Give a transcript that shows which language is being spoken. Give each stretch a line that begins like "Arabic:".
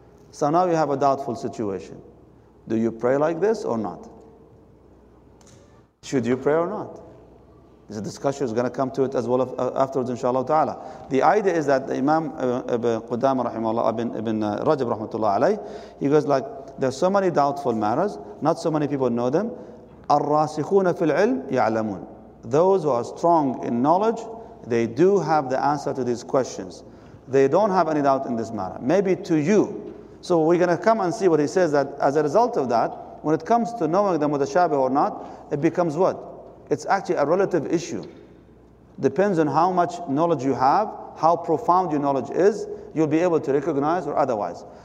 English: So now you have a doubtful situation. Do you pray like this or not? Should you pray or not? This discussion is going to come to it as well afterwards, inshallah ta'ala. The idea is that the Imam Ibn Qudamah rahimahullah, Ibn Rajab rahmatullah alayh, he goes like, there's so many doubtful matters, not so many people know them.
Arabic: الراسخون في العلم يعلمون.
English: Those who are strong in knowledge, they do have the answer to these questions. They don't have any doubt in this matter. Maybe to you. So we're going to come and see what he says, that as a result of that, when it comes to knowing the mutashabih or not, it becomes what? It's actually a relative issue. Depends on how much knowledge you have, how profound your knowledge is, you'll be able to recognize or otherwise.